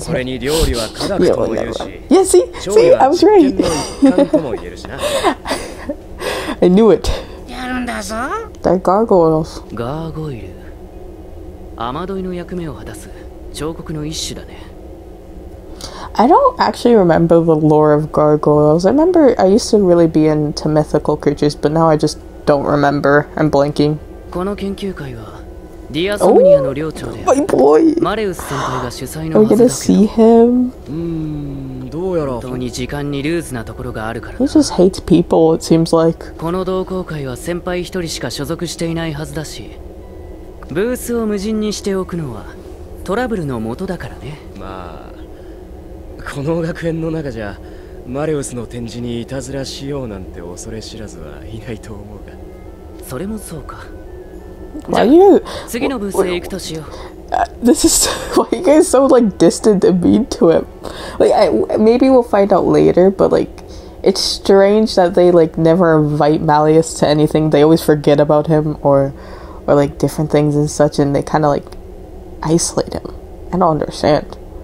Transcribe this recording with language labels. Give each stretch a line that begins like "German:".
Japanese: それに料理は科学とも言うし、
English: yeah, see?
Japanese: 調理は実験の一環とも言えるしな。
English: I knew it.
Japanese: やるんだぞ。
English: That gargoyles.
Japanese: ガーゴイル。雨どいの役目を果たす彫刻の一種だね。
English: I don't actually remember the lore of gargoyles. I remember I used to really be into mythical creatures, but now I just don't remember. I'm blanking.
Japanese: この研究会はディアソムニアの寮長である。
English: My boy!
Japanese: マレウス先輩が主催のはずだけど。
English: Are we gonna see him?
Japanese: どうやら。本当に時間にルーズなところがあるから。
English: He just hates people, it seems like.
Japanese: この同好会は先輩一人しか所属していないはずだし、ブースを無人にしておくのはトラブルの元だからね。まあ。この学園の中じゃマレウスの展示にいたずらしようなんて恐れ知らずはいないと思うが。それもそうか。
English: Why are you?
Japanese: 次のブースへ行くとしよう。
English: This is why you guys so like distant and mean to him. Like, maybe we'll find out later, but like, it's strange that they like never invite Malleus to anything. They always forget about him or like different things and such, and they kind of like isolate him. I don't understand.